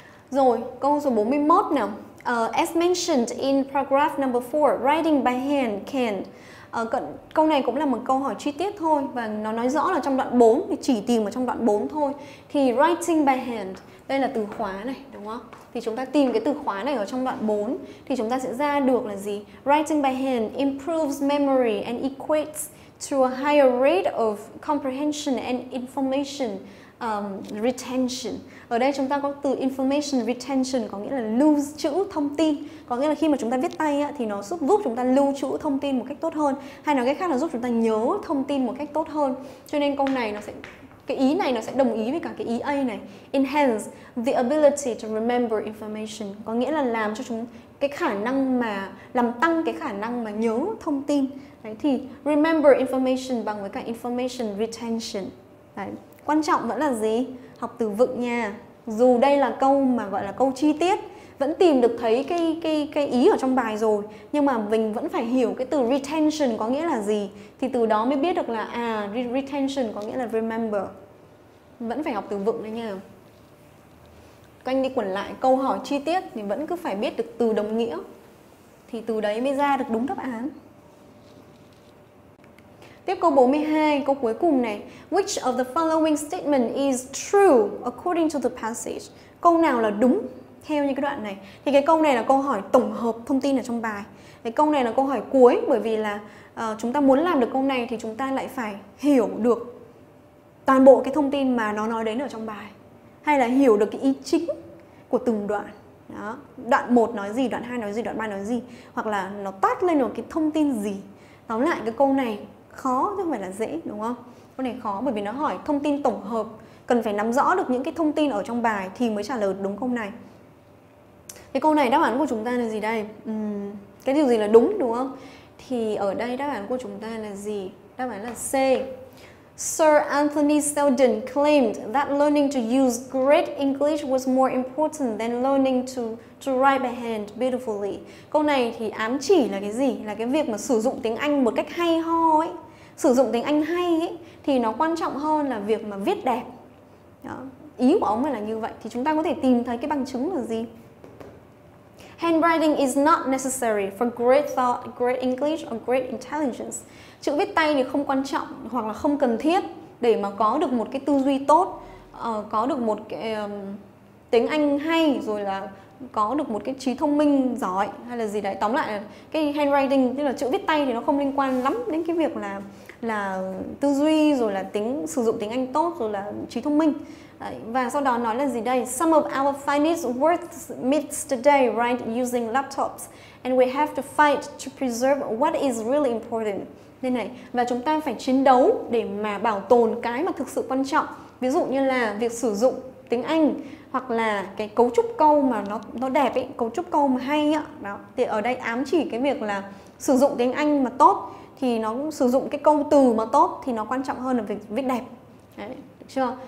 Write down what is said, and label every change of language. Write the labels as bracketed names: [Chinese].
[Vietnamese] Rồi, câu số 41 nào. [English] As mentioned in paragraph number 4, writing by hand can. [Vietnamese] Câu này cũng là một câu hỏi chi tiết thôi, và nó nói rõ là trong đoạn 4 thì chỉ tìm ở trong đoạn 4 thôi. Thì [English] writing by hand, [Vietnamese] đây là từ khóa này đúng không? Thì chúng ta tìm cái từ khóa này ở trong đoạn 4 thì chúng ta sẽ ra được là gì? [English] Writing by hand improves memory and equates to a higher rate of comprehension and information retention. [Vietnamese] Ở đây chúng ta có từ information retention, có nghĩa là lưu trữ thông tin. Có nghĩa là khi mà chúng ta viết tay á, thì nó giúp chúng ta lưu trữ thông tin một cách tốt hơn, hay nói cách khác là giúp chúng ta nhớ thông tin một cách tốt hơn. Cho nên câu này nó sẽ, cái ý này nó sẽ đồng ý với cả cái ý A này. [English] Enhance the ability to remember information, [Vietnamese] có nghĩa là làm cho chúng cái khả năng mà, làm tăng cái khả năng mà nhớ thông tin. Đấy, thì remember information bằng với cả information retention. Đấy, quan trọng vẫn là gì? Học từ vựng nha. Dù đây là câu mà gọi là câu chi tiết, vẫn tìm được thấy cái ý ở trong bài rồi, nhưng mà mình vẫn phải hiểu cái từ retention có nghĩa là gì, thì từ đó mới biết được là retention có nghĩa là remember. Vẫn phải học từ vựng đấy nha. Quanh đi quẩn lại câu hỏi chi tiết thì vẫn cứ phải biết được từ đồng nghĩa, thì từ đấy mới ra được đúng đáp án. Tiếp câu 42, câu cuối cùng này. [English] Which of the following statement is true according to the passage? [Vietnamese] Câu nào là đúng theo như cái đoạn này? Thì cái câu này là câu hỏi tổng hợp thông tin ở trong bài. Cái câu này là câu hỏi cuối, bởi vì là chúng ta muốn làm được câu này thì chúng ta lại phải hiểu được toàn bộ cái thông tin mà nó nói đến ở trong bài, hay là hiểu được cái ý chính của từng đoạn. Đó. Đoạn 1 nói gì, đoạn 2 nói gì, đoạn 3 nói gì, hoặc là nó toát lên được cái thông tin gì. Tóm lại cái câu này khó chứ không phải là dễ, đúng không? Câu này khó bởi vì nó hỏi thông tin tổng hợp, cần phải nắm rõ được những cái thông tin ở trong bài thì mới trả lời đúng câu này. Cái câu này đáp án của chúng ta là gì đây? Cái điều gì là đúng, đúng không? Thì ở đây đáp án của chúng ta là gì? Đáp án là C. [English] Sir Anthony Seldon claimed that learning to use great English was more important than learning to write by hand beautifully. [Vietnamese] Câu này thì ám chỉ là cái gì? Là cái việc mà sử dụng tiếng Anh một cách hay ho ấy, sử dụng tiếng Anh hay ấy, thì nó quan trọng hơn là việc mà viết đẹp. Đó. Ý của ông là như vậy. Thì chúng ta có thể tìm thấy cái bằng chứng là gì? [English] Handwriting is not necessary for great thought, great English or great intelligence. [Vietnamese] Chữ viết tay thì không quan trọng hoặc là không cần thiết để mà có được một cái tư duy tốt, có được một cái tiếng Anh hay, rồi là có được một cái trí thông minh giỏi hay là gì đấy. Tóm lại cái handwriting, tức là chữ viết tay, thì nó không liên quan lắm đến cái việc là tư duy, rồi là tính sử dụng tiếng Anh tốt, rồi là trí thông minh. Và sau đó nói là gì đây? [English] Some of our finest wordsmiths today write using laptops and we have to fight to preserve what is really important. [Vietnamese] Nên này, và chúng ta phải chiến đấu để mà bảo tồn cái mà thực sự quan trọng. Ví dụ như là việc sử dụng tiếng Anh, hoặc là cái cấu trúc câu mà nó đẹp ấy, cấu trúc câu mà hay ấy. Đó, thì ở đây ám chỉ cái việc là sử dụng tiếng Anh mà tốt, thì nó sử dụng cái câu từ mà tốt thì nó quan trọng hơn là việc viết đẹp. Đấy, được chưa?